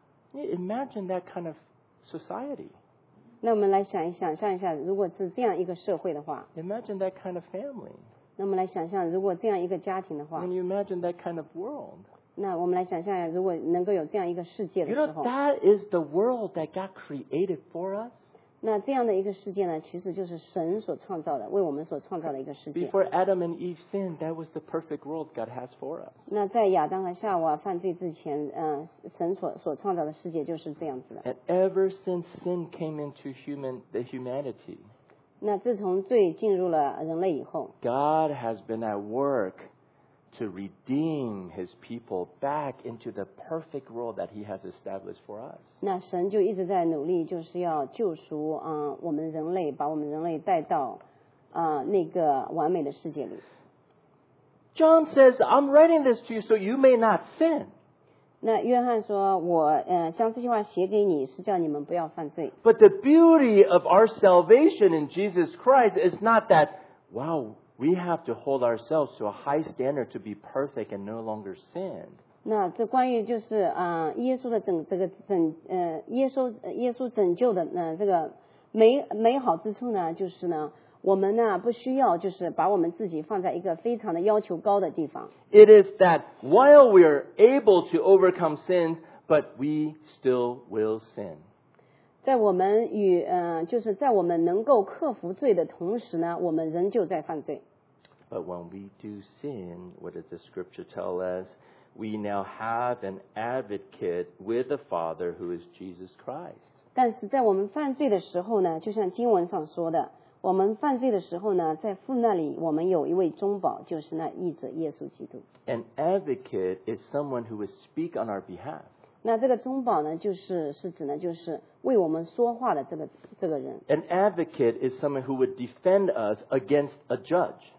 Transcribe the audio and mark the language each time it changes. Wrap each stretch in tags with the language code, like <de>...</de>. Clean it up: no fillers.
<zh>你</zh> <en>imagine that kind of society.</en> <zh>那我们来想一想，想一下，如果是这样一个社会的话。</zh> <en>Imagine that kind of family.</en> <zh>那我们来想象，如果这样一个家庭的话。</zh> <en>When you imagine that kind of world.</en> <zh>那我们来想象一下，如果能够有这样一个世界的时候。</zh> <en>You know that is the world that God created for us.</en> <zh>那这样的一个世界呢，其实就是神所创造的，为我们所创造的一个世界。</zh> <en>Before Adam and Eve sinned, that was the perfect world God has for us.</en> <zh>那在亚当和夏娃犯罪之前，神所创造的世界就是这样子的。</zh> <en>And ever since sin came into the humanity,</en> <zh>那自从罪进入了人类以后</zh> <en>，God has been at work to redeem His people back into the perfect world that He has established for us.</en> <zh>那神就一直在努力，就是要救赎我们人类，把我们人类带到那个完美的世界里。</zh> <en>John says, "I'm writing this to you so you may not sin."</en> <zh>那约翰说，我将这些话写给你，是叫你们不要犯罪。</zh> <en>But the beauty of our salvation in Jesus Christ is not that, wow. We have to hold ourselves to a high standard to be perfect and no longer sin.</en> <zh>那这关于就是耶稣的拯这个拯耶稣拯救的这个美好之处呢，就是呢，我们呢不需要就是把我们自己放在一个非常的要求高的地方。</zh> <en>It is that while we are able to overcome sin, but we still will sin.</en> <zh>在我们与就是在我们能够克服罪的同时呢，我们仍旧在犯罪。</zh> <en>But when we do sin, what does the scripture tell us? We now have an advocate with the Father who is Jesus Christ.</en> <zh>但是在我们犯罪的时候呢，就像经文上说的，我们犯罪的时候呢，在父那里我们有一位中保，就是那义者耶稣基督。</zh> <en>An advocate is someone who will speak on our behalf.</en> <zh>那这个中保呢，是指呢，就是为我们说话的这个人。</zh> <en>An advocate is someone who would defend us against a judge.</en>